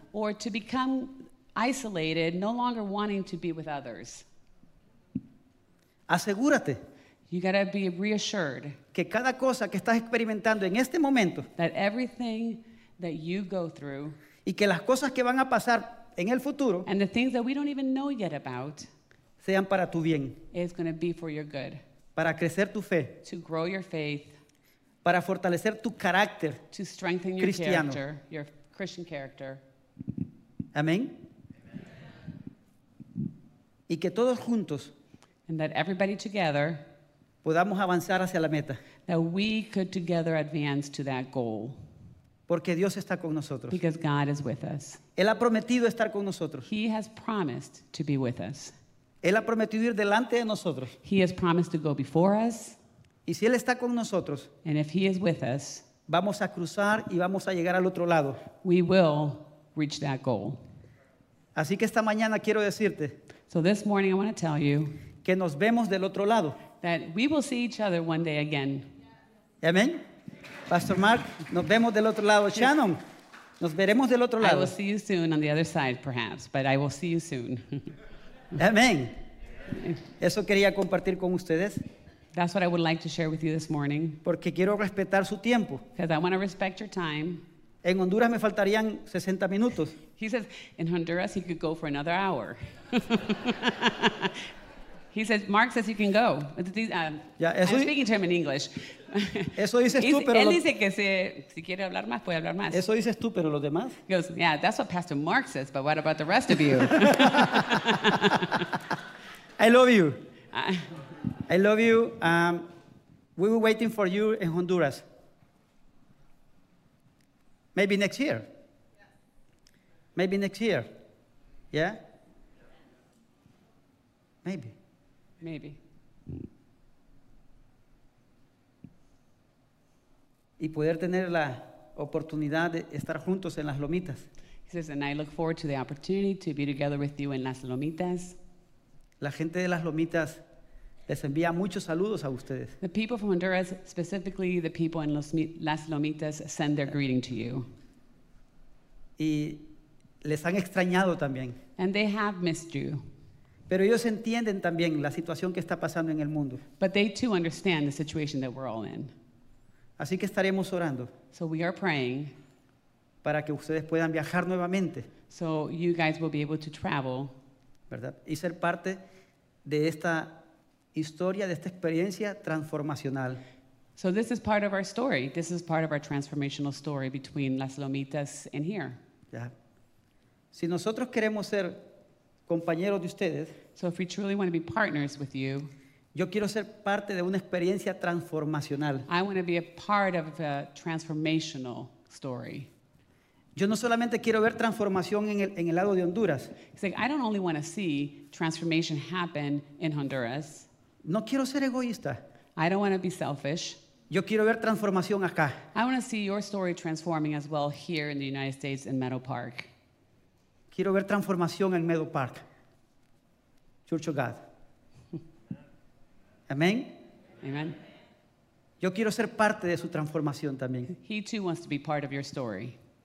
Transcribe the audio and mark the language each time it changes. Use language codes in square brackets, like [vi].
[en] Or to become isolated, no longer wanting to be with others. [es] Asegúrate. [en] You gotta be reassured [es] que cada cosa que estás experimentando en este momento, [en] that everything that you go through, [es] y que las cosas que van a pasar en el futuro, [en] and the things that we don't even know yet about, [es] sean para tu bien, [en] is gonna be for your good, [es] para crecer tu fe, [en] to grow your faith, [es] para fortalecer tu carácter, [en] to strengthen your [es] cristiano. [en] Character, your Christian character. [es] Amén. Y que todos juntos. [en] And that everybody together, [es] podamos avanzar hacia la meta. [en] That we could together advance to that goal. [es] Porque Dios está con nosotros. [en] Because God is with us. [es] Él ha prometido estar con nosotros. [en] He has promised to be with us. [es] Él ha prometido ir delante de nosotros. [en] He has promised to go before us. [es] Y si Él está con nosotros, [en] and if He is with us, [es] vamos a cruzar y vamos a llegar al otro lado. [en] We will reach that goal. [es] Así que esta mañana quiero decirte, [en] so this morning I want to tell you, [es] que nos vemos del otro lado. [en] That we will see each other one day again. [es] Amen. Pastor Mark, nos vemos del otro lado. Shannon, nos veremos del otro lado. [en] I will see you soon on the other side, perhaps, but I will see you soon. [es] Amen. Eso quería compartir con ustedes. [en] That's what I would like to share with you this morning. [es] Porque quiero respetar su tiempo. [en] Because I want to respect your time. [es] En Honduras me faltarían 60 minutos. [en] He says, in Honduras, he could go for another hour. He says, Mark says you can go. I'm speaking to him in English. [es] Eso dices tú, pero él dice que si quiere hablar más, puede hablar más. Eso dices tú, pero los demás. [en] He goes, yeah, that's what Pastor Mark says, but what about the rest of you? I love you. I love you. We were waiting for you in Honduras. Maybe next year. Maybe next year. Yeah? Maybe. Maybe. [es] Y poder tener la oportunidad de estar juntos en Las Lomitas. [en] He says, and I look forward to the opportunity to be together with you in Las Lomitas. [es] La gente de Las Lomitas les envía muchos saludos a ustedes. [en] The people from Honduras, specifically the people in Las Lomitas, send their greeting to you. [es] Y les han extrañado también. [en] And they have missed you. [es] Pero ellos entienden también la situación que está pasando en el mundo. [en] But they too understand the situation that we're all in. [es] Así que estaremos orando. [en] So we are praying. [es] Para que ustedes puedan viajar nuevamente. [en] So you guys will be able to travel. [es] ¿Verdad? Y ser parte de esta historia, de esta experiencia transformacional. [en] So this is part of our story. This is part of our transformational story between Las Lomitas and here. [es] Yeah. Si nosotros queremos ser compañeros de ustedes, [en] so if we truly want to be partners with you, [es] yo quiero ser parte de una experiencia transformacional. [en] I want to be a part of a transformational story. [es] Yo no solamente quiero ver transformación en el lado de Honduras. [en] He's like, I don't only want to see transformation happen in Honduras. [es] No quiero ser egoísta. [en] I don't want to be selfish. [es] Yo quiero ver transformación acá. [en] I want to see your story transforming as well here in the United States in Meadow Park. [es] Quiero ver transformación en Meadow Park. Church of God. Amén. [en] Amen. [es] Yo quiero ser parte de su transformación también. [en] He too wants to be part of your story.